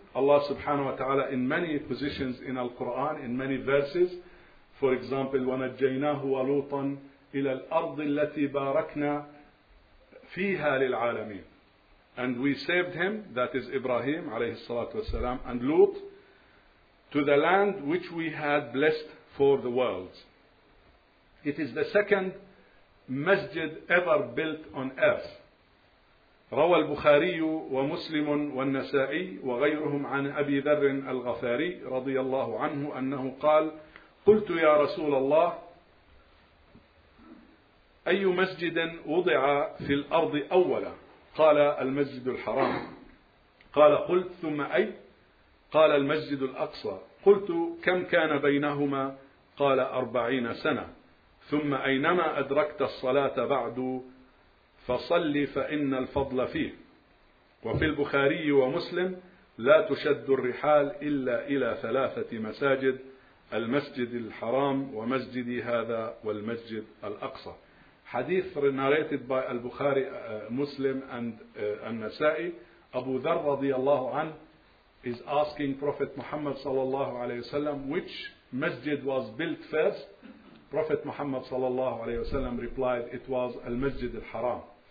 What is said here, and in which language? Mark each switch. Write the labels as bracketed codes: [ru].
[en] Allah subhanahu wa ta'ala in many positions in Al-Quran, in many verses, for example, [ar] وَنَجَّيْنَاهُ وَلُوطًا إِلَى الْأَرْضِ الَّتِي بَارَكْنَا فِيهَا لِلْعَالَمِينَ. [en] And we saved him, that is Ibrahim alayhi salatu wasalam, and Lut, to the land which we had blessed for the worlds. It is the second masjid ever built on earth. [ar] روى البخاري ومسلم والنسائي وغيرهم عن أبي ذر الغفاري رضي الله عنه أنه قال قلت يا رسول الله أي مسجد وضع في الأرض أولا؟ قال المسجد الحرام. قال قلت ثم أي؟ قال المسجد الأقصى. قلت كم كان بينهما؟ قال 40 سنة. ثم أينما أدركت الصلاة بعد فصل فإن الفضل فيه. وفي البخاري ومسلم لا تشد الرحال إلا إلى ثلاثة مساجد: المسجد الحرام ومسجدي هذا والمسجد الأقصى. [en] Hadith narrated by Al-Bukhari, Muslim, and Al-Nasa'i. Abu Dharr radiyallahu anh is asking Prophet Muhammad sallallahu alayhi wa sallam, which masjid was built first? Prophet Muhammad sallallahu alayhi wa sallam replied, it was Al-Masjid Al-Haram.